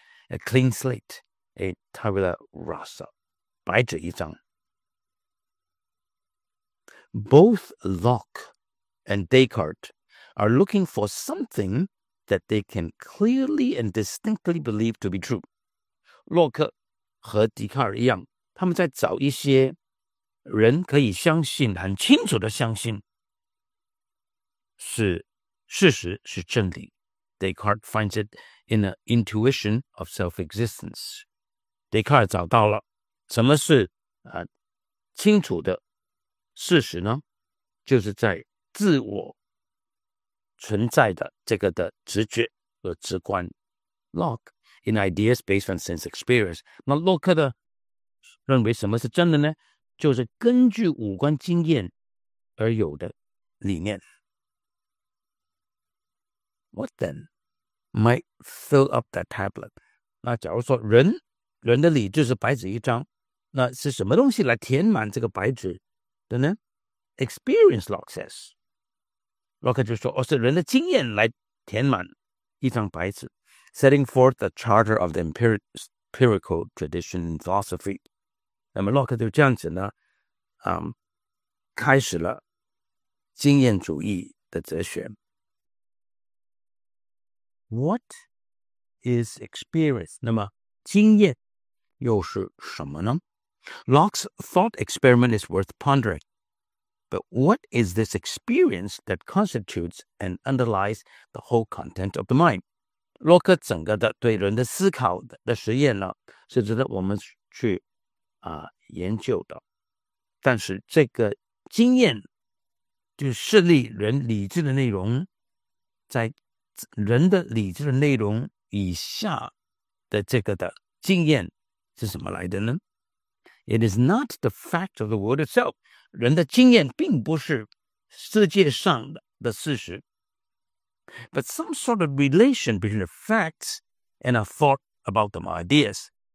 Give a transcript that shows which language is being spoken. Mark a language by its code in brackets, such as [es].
[en] A clean slate, a tabula rasa, [zh] 白纸一张 [en] Both Locke and Descartes are looking for something that they can clearly and distinctly believe to be true. [zh] 洛克和笛卡尔一样，他们在找一些人可以相信，很清楚的相信是事实，是真理。 [en] Descartes finds it in an intuition of self-existence. [zh] Descartes 找到了什么是、清楚的事实呢？就是在自我存在的这个的直觉和直观。 [en] Locke in ideas based on sense experience. [zh] 那洛克的认为什么是真的呢？就是根据五官经验而有的理念。 [en] What then might fill up that tablet? [zh] 那假如说人的理智是白纸一张，那是什么东西来填满这个白纸的呢？ [en] Experience, Locke says. [zh] Locke 就说，哦，是人的经验来填满一张白纸。 [en] Setting forth the charter of the empirical tradition in philosophy. [zh] 那么 Locke 就这样子呢，开始了经验主义的哲学。 [en] What is experience? [zh] 那么经验又是什么呢? [en] Locke's thought experiment is worth pondering. But what is this experience that constitutes and underlies the whole content of the mind? [zh] 洛克整个的对人的思考的实验呢是值得我们去、研究的。但是这个经验就设立人理智的内容在人的理智的内容以下的这个的经验是什么来的呢 [en] It is not the fact of the world itself [zh] 人的经验并不是世界上的事实 [en] But some sort of relation between the facts and a thought about them ideas